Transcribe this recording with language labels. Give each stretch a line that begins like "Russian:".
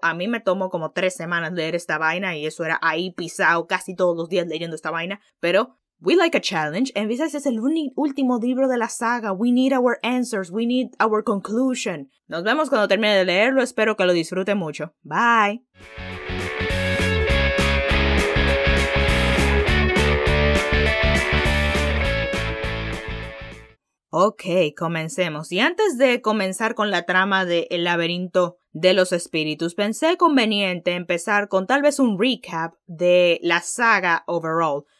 Spanish: A mí me tomó como 3 semanas leer esta vaina y eso era ahí pisado casi todos los días leyendo esta vaina.
English: Pero we like a challenge, and this is
Spanish: el último libro de la saga.
English: We need our answers, we need our conclusion.
Spanish: Nos vemos cuando termine de leerlo, espero que lo disfrute mucho. Bye! Ok, comencemos. Y antes de comenzar con la trama de El laberinto de los espíritus, pensé conveniente empezar con tal vez un recap de la saga overall.